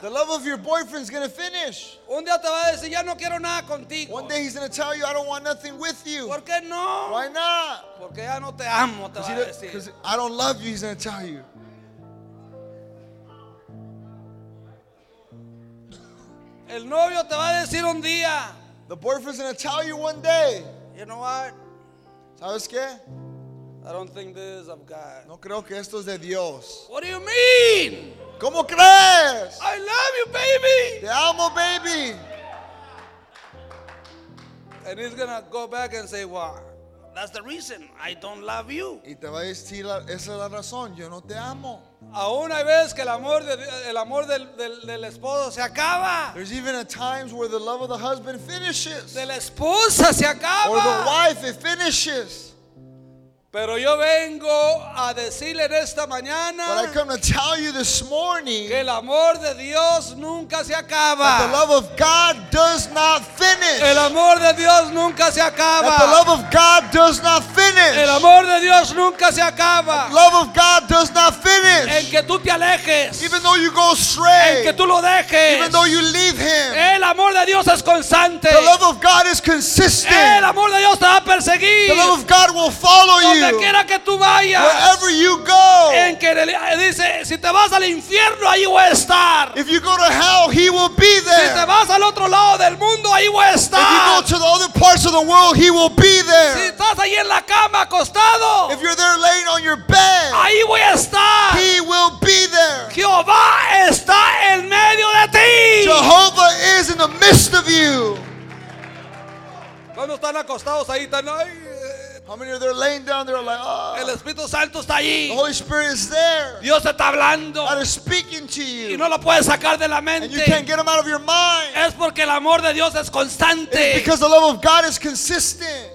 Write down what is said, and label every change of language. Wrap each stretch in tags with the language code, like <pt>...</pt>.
<en>The love of your boyfriend is going to finish.</en> <es>Un día te va a decir, ya no quiero nada contigo.</es> <en>One day he's going to tell you, I don't want nothing with you.</en> <es>¿Por qué no?</es> <en>Why not?</en> <es>Porque ya no te amo, te va a decir.</es> <en>Because I don't love you, he's going to tell you.</en> <es>El novio te va a decir un día.</es> <en>The boyfriend is going to tell you one day. You know what?</en> <es>¿Sabes qué?</es> <en>I don't think this is of God.</en> <es>No creo que esto es de Dios.</es> <en>What do you mean?</en> <es>¿Cómo crees?</es> <en>I love you, baby.</en> <es>Te amo, baby.</es> <en>And he's gonna go back and say, "Why? Well, that's the reason I don't love you."</en> <es>Y te va a decir, esa es la razón. Yo no te amo. Aún hay veces que el amor del esposo se acaba.</es> <en>There's even at times where the love of the husband finishes.</en> <es>De la esposa se acaba.</es> <en>Or the wife, it finishes.</en> <es>Pero yo vengo a decirle en esta mañana</es> <en>But I come to tell you this morning</en> <es>que el amor de Dios nunca se acaba.</es> <en>That the love of God does not finish.</en> <es>El amor de Dios nunca se acaba.</es> <en>That the love of God does not finish.</en> <es>El amor de Dios nunca se acaba.</es> <en>The love of God does not finish.</en> <es>En que tú te alejes.</es> <en>Even though you go astray.</en> <es>En que tú lo dejes.</es> <en>Even though you leave him.</en> <es>El amor de Dios es constante.</es> <en>The love of God is consistent.</en> <es>El amor de Dios te va a perseguir.</es> <en>The love of God will follow you.</en> <es>Donde quiera que tú vayas.</es> <en>Wherever you go.</en> <es>En que dice, si te vas al infierno, ahí voy a estar.</es> <en>If you go to hell, he will be there.</en> <es>Si te vas al otro lado del mundo, ahí voy a estar.</es> <en>If you go to the other parts of the world, he will be there.</en> <es>Si estás ahí en la cama acostado.</es> <en>If you're there laying on your bed.</en> <es>Ahí voy a estar.</es> <en>He will be there.</en> <es>Jehová está en medio de ti.</es> <en>Jehovah is in the midst of you.</en> <es>Cuando están acostados ahí, están ahí.</es> <en>How many of them are laying down there like, oh,</en> <es>el Espíritu Santo está allí.</es> <en>The Holy Spirit is there.</en> <es>Dios está hablando.</es> <en>God is speaking to you.</en> <es>Y no lo puedes sacar de la mente.</es> <en>And you can't get them out of your mind.</en> <es>Es porque el amor de Dios es constante.</es> <en>It is because the love of God is consistent.</en>